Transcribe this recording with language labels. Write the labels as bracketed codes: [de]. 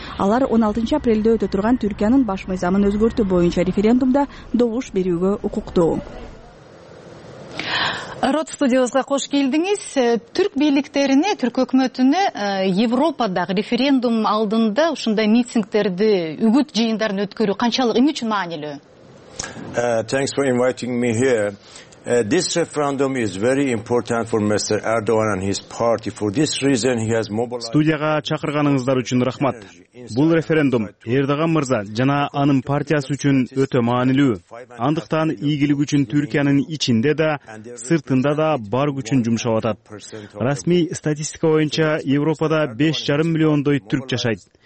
[ky] Алар 16 апрелде өтө турган Түркиянын баш мыйзамын өзгөртүү боюнча референдумда добуш берүүгө укуктуу. Рот студиосуна кош келдиңиз. Түрк бийликтерине, түрк өкмөтүнө Европадагы референдум алдында ушундай митингдерди, үгүт жыйындарын өткөрүү канчалык эмне үчүн маанилүү? [en] Thanks for inviting me here. This referendum is very important for Mr. Erdogan and his party. For this reason he has mobilized. [ky] Студияга чакырганыңыздар үчүн рахмат. Бул референдум Эрдоган мырза жана анын партиясы үчүн өтө маанилүү. Андыктан ийгилиги үчүн Түркиянын ичинде да, сыртында да бар күчүн жумшап атат. Расмий статистика боюнча Европада 5,5 миллиондой түрк жашайт.